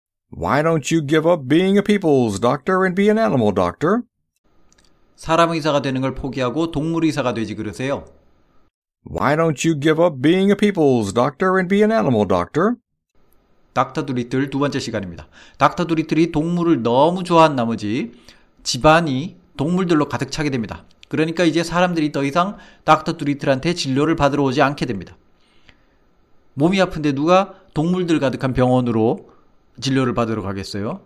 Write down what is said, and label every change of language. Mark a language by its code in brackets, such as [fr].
[en] Why don't you give up being a people's doctor and be an animal doctor? [ko] 사람 의사가 되는 걸 포기하고 동물 의사가 되지 그러세요? [en] Why don't you give up being a people's doctor and be an animal doctor? [ko] 닥터 두리틀 두 번째 시간입니다. 닥터 두리틀이 동물을 너무 좋아한 나머지 집안이 동물들로 가득 차게 됩니다. 그러니까 이제 사람들이 더 이상 닥터 두리틀한테 진료를 받으러 오지 않게 됩니다. 몸이 아픈데 누가 동물들 가득한 병원으로 진료를 받으러 가겠어요?